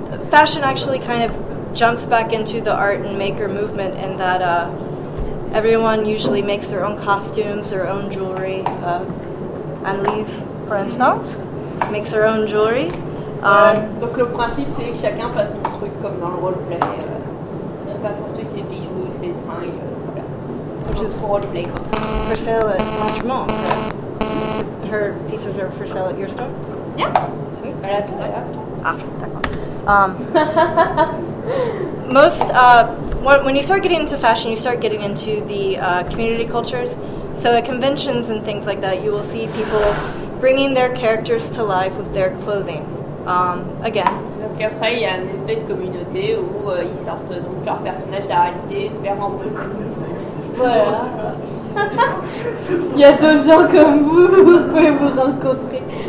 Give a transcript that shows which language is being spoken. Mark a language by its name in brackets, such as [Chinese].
[English] Fashion actually kind of jumps back into the art and maker movement in that everyone usually makes their own costumes, their own jewelry. Annelise, for instance, makes her own jewelry. [French] Donc le principe c'est que chacun fasse son truc comme dans le roleplay. Chacun construit ses bijoux, ses fringues, voilà. Donc pour roleplay quoi. [English] For sale at Montremont. Her pieces are for sale at your store? Yeah. Mm-hmm. [French] Voilà, tout à l'heure. Ah, d'accord. [English] Most when you start getting into fashion, you start getting into the community cultures. So at conventions and things like that, you will see people bringing their characters to life with their clothing. Again. [French] Donc après, il y a un aspect de communauté où ils sortent donc leur personnage de la réalité, c'est vraiment beau. Ça existe toujours, il y a d'autres gens comme vous, vous pouvez vous rencontrer.